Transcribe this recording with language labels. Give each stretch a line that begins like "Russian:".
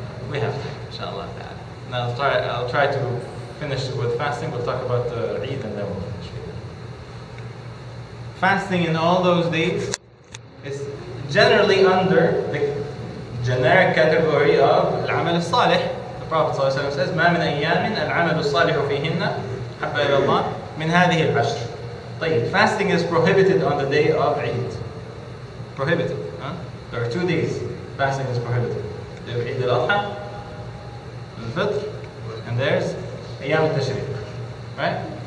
English: We have time, inshallah. Now I'll try to finish with fasting. We'll talk about the Eid and then we'll finish. Fasting in all those dates is generally under the generic category of al-amal al-salih. The Prophet ﷺ says,
Arabic: "ما من أيام العمل الصالح فيهن حب إلى الله من هذه العشر."
English: Fasting is prohibited on the day of Eid. Prohibited. Huh? There are 2 days fasting is prohibited. Eid al-Adha, al-Fitr, and there's Ayyam al-Tashriq, right?